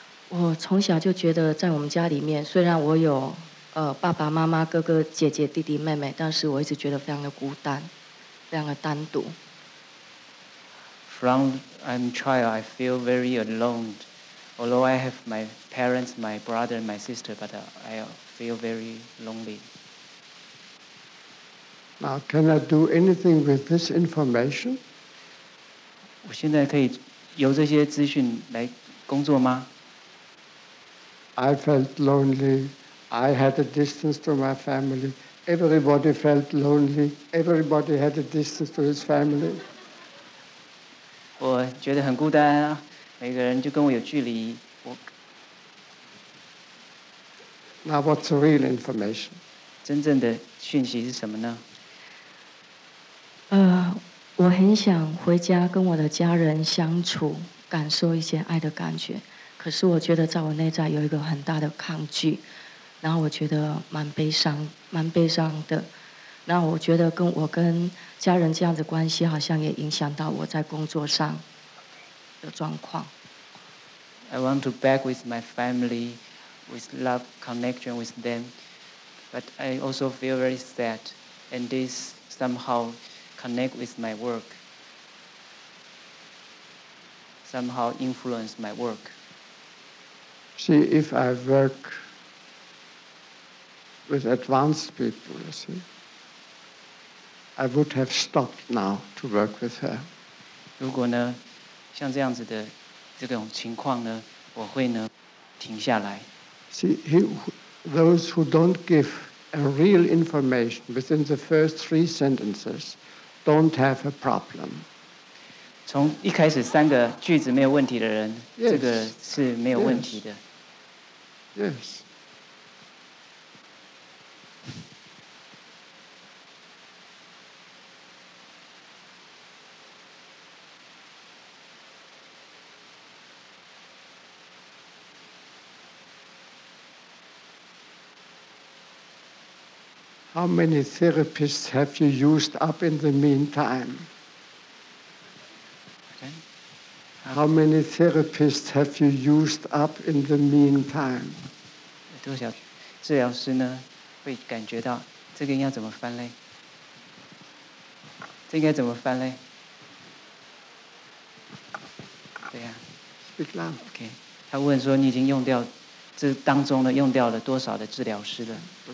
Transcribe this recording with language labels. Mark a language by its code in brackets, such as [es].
[zh] 我从小就觉得在我们家里面，虽然我有爸爸妈妈、哥哥、姐姐、弟弟、妹妹，但是我一直觉得非常的孤单，非常的单独。 [en] From I'm child, I feel very alone. Although I have my parents, my brother, and my sister, but I feel very lonely. Now, can I do anything with this information? [zh] 我现在可以由这些资讯来工作吗？ [en] I felt lonely. I had a distance to my family. Everybody felt lonely. Everybody had a distance to his family. [zh] 我觉得很孤单啊。每个人就跟我有距离。我 [en] Now what's the real information? [zh] 真正的讯息是什么呢？我很想回家跟我的家人相处，感受一些爱的感觉。可是我觉得在我内在有一个很大的抗拒，然后我觉得蛮悲伤，蛮悲伤的。然后我觉得跟我跟家人这样的关系，好像也影响到我在工作上。 [en] I want to back with my family, with love connection with them, but I also feel very sad, and this somehow connect with my work, somehow influence my work. See, if I work with advanced people, you see, I would have stopped now to work with her. [zh] 如果呢？像这样子的这种情况呢，我会呢停下来。 [en] See, those who don't give a real information within the first three sentences don't have a problem. [zh] 从一开始三个句子没有问题的人， [en] yes. [zh] 这个是没有问题的。 [en] Yes. How many therapists have you used up in the meantime? Okay. How many therapists have you used up in the meantime? [zh] 多少治疗师呢？会感觉到这个要怎么翻嘞？这个要怎么翻嘞？对呀、啊。 [en] Speak loud. Okay. [zh] 他问说：“你已经用掉这当中呢，用掉了多少的治疗师了？”